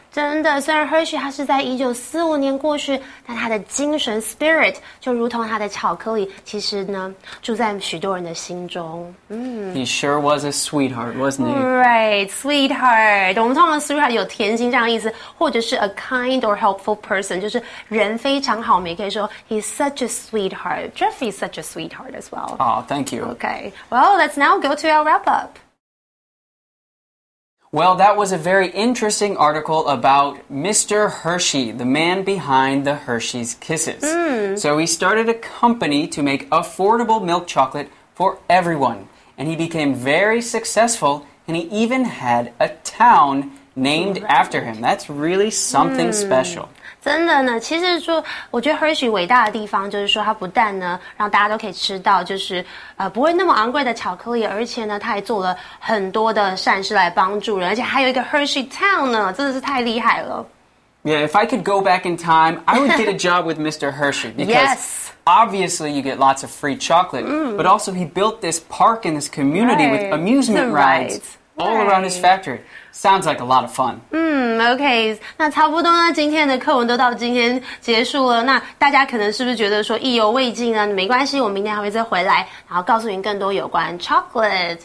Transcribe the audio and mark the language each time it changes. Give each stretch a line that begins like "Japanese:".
Chinese: 真的，虽然 Hershey 他是在1945年过世，但他的精神 spirit 就如同他的巧克力，其实呢，住在许多人的心中。
English: He sure was a sweetheart, wasn't he? Right, sweetheart.
Chinese: 我们通常 sweetheart 有甜心这样的意思，或者是
English: a kind or helpful person,
Chinese: 就是人非常好。我们也可以说
English: he's such a sweetheart. Jeffrey's such a sweetheart as well. Oh, thank you. Okay, well, let's now go to our wrap up. Well, that was a very interesting article about Mr. Hershey, the man behind the Hershey's Kisses. So he started a company to make affordable milk chocolate for everyone. And he became very successful, and he even had a town named after him. That's really something special.
Chinese: 真的呢，其实说我觉得 Hershey 伟大的地方就是说它不但呢让大家都可以吃到就是不会那么昂贵的巧克力，而且呢它还做了很多的善事来帮助人，而且还有一个 Hershey Town 呢，真的是太厉害了。
English: Yeah, if I could go back in time, I would get a job with Mr. Hershey because yes. obviously you get lots of free chocolate, but also he built this park in this community right. with amusement rides right. all around his factory. Sounds like a lot of fun.
Chinese: Okay, 那差不多呢，今天的课文都到今天结束了。那大家可能是不是觉得说意犹未尽呢？没关系，我明天还会再回来，然后告诉您更多有关 chocolate.